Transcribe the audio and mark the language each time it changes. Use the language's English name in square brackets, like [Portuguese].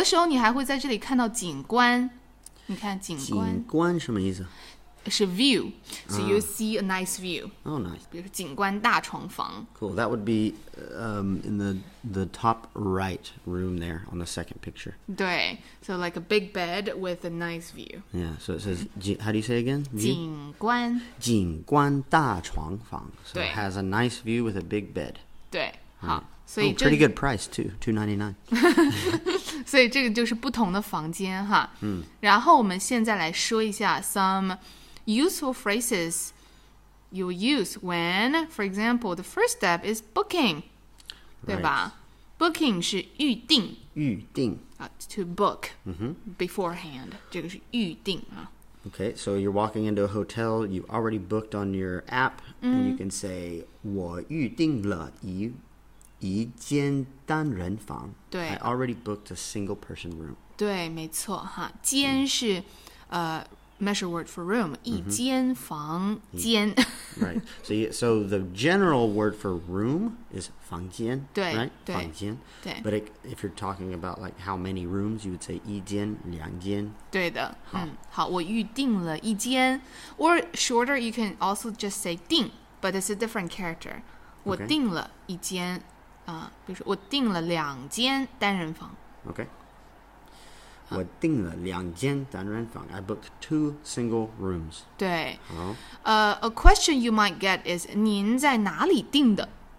[Chinese] 有的时候你还会在这里看到景观, 你看景观。景观什么意思? [English] 是 view, so you see a nice view. Oh, nice. [Chinese] 比如说景观大床房. [English] Cool, that would be in the top right room there on the second picture. 对, so like a big bed with a nice view. Yeah, so it says, how do you say it again? View? 景观. [Chinese] 景观大床房. [English] So it has a nice view with a big bed. [Chinese] 对,好. [English] Oh, pretty good price too, $299. [Chinese] 所以这个就是不同的房间,哈. 然后我们现在来说一下 [English] some useful phrases you use when, for example, the first step is booking, right. [Chinese] 对吧?Booking 是预定, 预定. [English] To book mm-hmm. [Chinese] beforehand, 这个是预定. [English] Okay, so you're walking into a hotel, you already booked on your app, mm-hmm. and you can say, [Chinese] 我预定了一间单人房. 对, [English] I already booked a single person room. [Chinese] 对,没错,间是 [English] measure word for room, [Chinese] 一间房间. [English] Mm-hmm. Right. So the general word for room is 房间, right? [Chinese] 对, 房间. 对. [English] But if you're talking about like how many rooms, you would say 一间,两间. [Chinese] 对的,好,我预定了一间. [English] Or shorter, you can also just say 定, but it's a different character. [Chinese] 我定了一间, 比如说我定了两间单人房. Okay. 我订了两间单人房. [English] I booked two single rooms. 对。A question you might get is, [Chinese] 您在哪里订的?